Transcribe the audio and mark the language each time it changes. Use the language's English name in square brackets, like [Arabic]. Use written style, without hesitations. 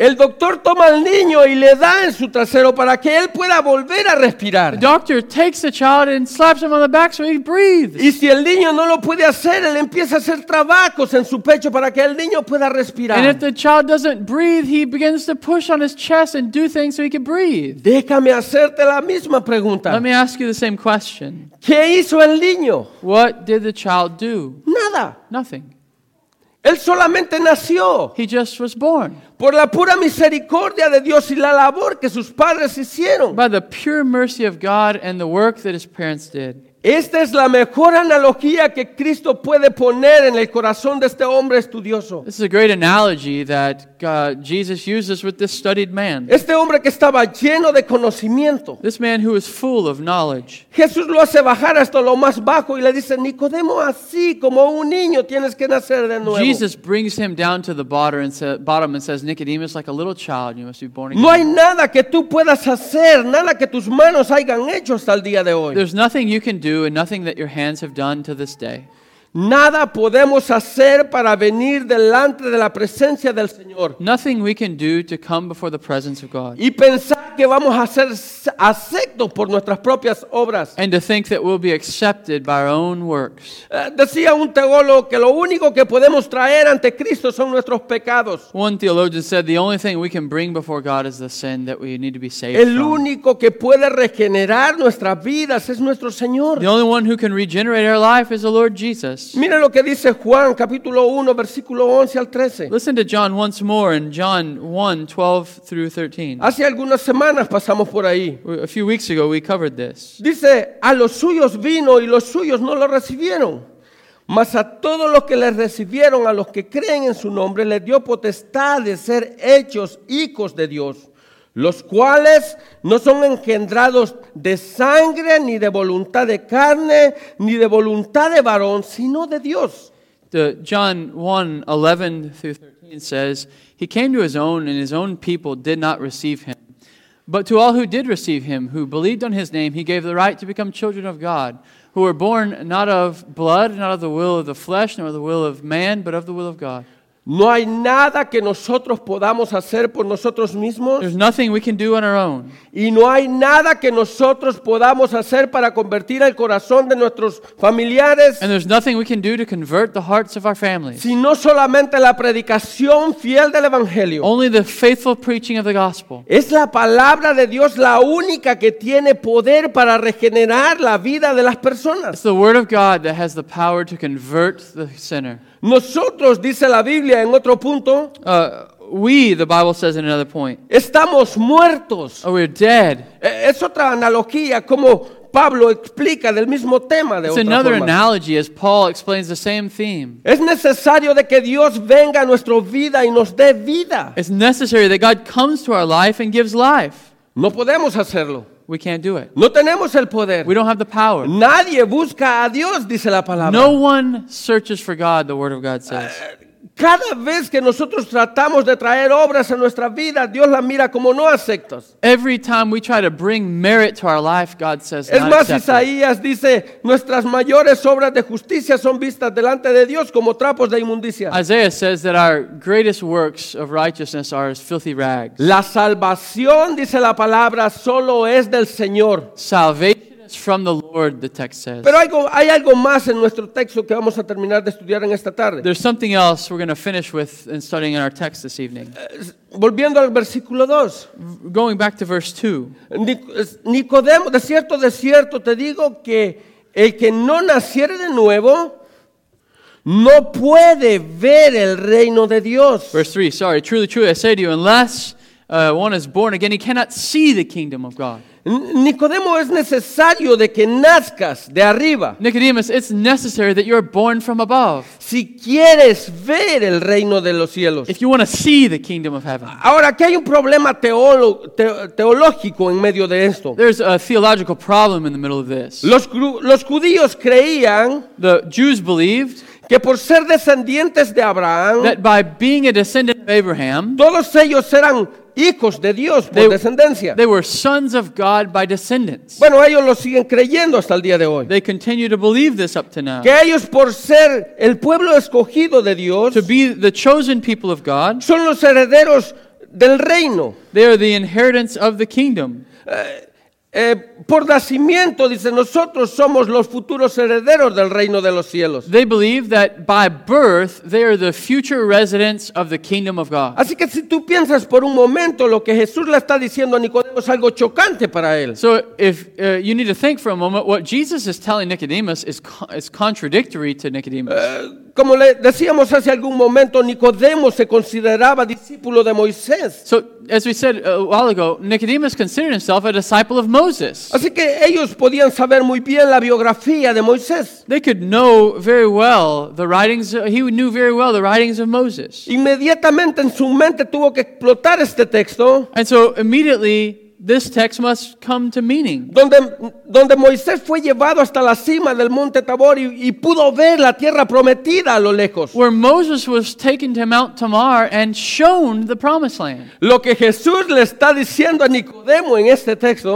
[Spanish] El doctor toma al niño y le da en su trasero para que él pueda volver a respirar. [English] The doctor takes the child and slaps him on the back so he breathes. [Spanish] Y si el niño no lo puede hacer, él empieza a hacer trabajos en su pecho para que el niño pueda respirar. [English] And if the child doesn't breathe, he begins to push on his chest and do things so he can breathe. [Spanish] Déjame hacerte la misma pregunta. [English] Let me ask you the same question. [Spanish] ¿Qué hizo el niño? [English] What did the child do? [Spanish] Nada. [English] Nothing. [Spanish] Él solamente nació. [English] He just was born. [Spanish] Por la pura misericordia de Dios y la labor que sus padres hicieron. [English] By the pure mercy of God and the work that his parents did. [Spanish] Esta es la mejor analogía que Cristo puede poner en el corazón de este hombre estudioso. [English] This is a great analogy that Jesus uses with this studied man. [Spanish] Este hombre que estaba lleno de conocimiento. [English] This man who is full of knowledge. [Spanish] Jesús lo hace bajar hasta lo más bajo y le dice, Nicodemo, así como un niño tienes que nacer de nuevo. [English] Jesus brings him down to the bottom and says, Nicodemus, like a little child, you must be born again. [Spanish] No hay nada que tú puedas hacer, nada que tus manos hayan hecho hasta el día de hoy. [English] There's nothing you can do and nothing that your hands have done to this day. [Spanish] Nada podemos hacer para venir delante de la presencia del Señor. [English] Nothing we can do to come before the presence of God. [Spanish] Y pensar que vamos a ser aceptos por nuestras propias obras. [English] And to think that we'll be accepted by our own works. [Spanish] Decía un teólogo que lo único que podemos traer ante Cristo son nuestros pecados. [English] One theologian said the only thing we can bring before God is the sin that we need to be saved from. [Spanish] El único que puede regenerar nuestras vidas es nuestro Señor. [English] The only one who can regenerate our life is the Lord Jesus. [Spanish] Mira lo que dice Juan capítulo 1 versículo 11 al 13. [English] Listen to John once more in John 1 12 through 13. [Spanish] Hace algunas semanas pasamos por ahí. [English] A few weeks ago we covered this. [Spanish] Dice, a los suyos vino y los suyos no lo recibieron. Mas a todos los que le recibieron, a los que creen en su nombre, le dio potestad de ser hechos hijos de Dios. Los cuales no son engendrados de sangre, ni de voluntad de carne, ni de voluntad de varón, sino de Dios. [English] John 1, 11 through 13 says, he came to his own, and his own people did not receive him. But to all who did receive him, who believed on his name, he gave the right to become children of God, who were born not of blood, not of the will of the flesh, nor of the will of man, but of the will of God. [Spanish] No hay nada que nosotros podamos hacer por nosotros mismos. [English] There's nothing we can do on our own. [Spanish] Y no hay nada que nosotros podamos hacer para convertir el corazón de nuestros familiares. [English] And there's nothing we can do to convert the hearts of our families. [Spanish] Sino solamente la predicación fiel del Evangelio. [English] Only the faithful preaching of the gospel. [Spanish] Es la palabra de Dios la única que tiene poder para regenerar la vida de las personas. [English] It's the word of God that has the power to convert the sinner. [Spanish] Nosotros, dice la Biblia en otro punto, [English] the Bible says in another point, [Spanish] estamos muertos. [English] Oh, we're dead. [Spanish] Es otra analogía como Pablo explica del mismo tema de [English] It's [Spanish] otra [English] another [Spanish] forma. [English] Analogy as Paul explains the same theme. [Spanish] Es necesario de que Dios venga a nuestra vida y nos dé vida. [English] It's necessary that God comes to our life and gives life. [Spanish] No podemos hacerlo. [English] We can't do it. [Spanish] No tenemos el poder. [English] We don't have the power. [Spanish] Nadie busca a Dios, dice la palabra. [English] No one searches for God, the word of God says. [Spanish] Cada vez que nosotros tratamos de traer obras a nuestra vida, Dios la mira como no aceptos. [English] Every time we try to bring merit to our life, God says not accepted. [Spanish] Es más, Isaías dice, nuestras mayores obras de justicia son vistas delante de Dios como trapos de inmundicia. [English] Isaiah says that our greatest works of righteousness are as filthy rags. [Spanish] La salvación, dice la palabra, solo es del Señor. [English] Salvation. It's from the Lord, the text says. [Spanish] Pero hay algo más en nuestro texto que vamos a terminar de estudiar en esta tarde. [English] There's something else we're going to finish with in studying in our text this evening. [Spanish] Volviendo al versículo 2. [English] Going back to verse 2. [Spanish] Nicodemo, de cierto te digo que el que no naciere de nuevo no puede ver el reino de Dios. [English] Verse 3, sorry. Truly, truly, I say to you, unless one is born again, he cannot see the kingdom of God. [Spanish] Nicodemo, es necesario de que nazcas de arriba. [English] Nicodemus, it's necessary that you're born from above. [Spanish] Si quieres ver el reino de los cielos. [English] If you want to see the kingdom of heaven. [Spanish] Ahora, aquí hay un problema teológico en medio de esto. [English] There's a theological problem in the middle of this. [Spanish] Los judíos creían. [English] The Jews believed. [Spanish] Que por ser descendientes de Abraham. [English] That by being a descendant of Abraham. [Spanish] Todos ellos eran hijos de Dios por descendencia. [English] They were sons of God by descendants. [Spanish] Bueno, ellos lo siguen creyendo hasta el día de hoy. [English] They continue to believe this up to now. [Spanish] Que ellos por ser el pueblo escogido de Dios, [English] to be the chosen people of God, [Spanish] son los herederos del reino. [English] They are the inheritance of the kingdom. [Spanish] Por nacimiento, dice, nosotros somos los futuros herederos del reino de los cielos. [English] They believe that by birth they are the future residents of the kingdom of God. [Spanish] Así que si tú piensas por un momento lo que Jesús le está diciendo a Nicodemo es algo chocante para él. [English] So if you need to think for a moment, what Jesus is telling Nicodemus is contradictory to Nicodemus. [Spanish] como le decíamos hace algún momento, Nicodemo se consideraba discípulo de Moisés. [English] So, as we said a while ago, Nicodemus considered himself a disciple of Moses. [Spanish] Así que ellos podían saber muy bien la biografía de Moisés. [English] They could know very well the writings, he knew very well the writings of Moses. [Spanish] Inmediatamente en su mente tuvo que explotar este texto. [English] And so, immediately, this text must come to meaning. [Spanish] Donde Moisés fue llevado hasta la cima del Monte Tabor y pudo ver la tierra prometida a lo lejos. [English] Where Moses was taken to Mount Tamar and shown the promised land. [Spanish] Lo que Jesús le está diciendo a Nicodemo en este texto.